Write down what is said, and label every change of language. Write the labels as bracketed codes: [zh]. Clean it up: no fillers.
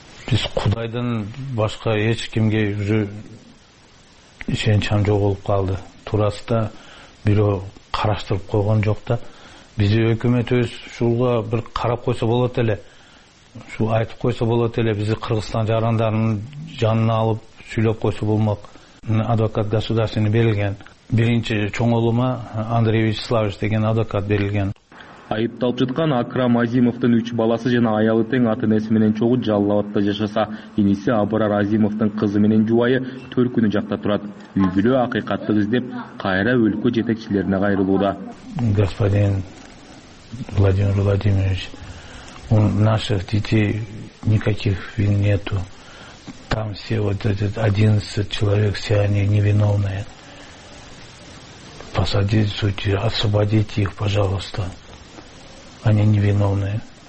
[ky] Биз Кудайдан башка эч кимге уже ишенчам жок болуп калды. Туурасы да бирөө караштырып койгон жок да. Бизди өкмөт өз ушулга бир карап койсо болот эле, ушу айтып койсо болот эле, бизди Кыргызстан жарандарынын жанына алып сүйлөп койсо болмок. Адвокат государственный берилген. Биринчи чоңолума Андрей Вячеславович деген адвокат берилген. Айыпталып жаткан Акрам Азимовдун 3 баласы жана аялы тең ата энеси менен чогуу Жалал абадта жашаса, иниси Абрар Азимовдун кызы менен жубайы Төркүнү жакта турат. Үй бүлө акыйкатты издеп кайра өлкө жетекчилерине кайрылууда. [ru] Господин Владимир Владимирович, у наших детей никаких вин нету. Там все вот эти 11 человек, все они невиновные. Посадите судьи, освободите их, пожалуйста. Они невиновные.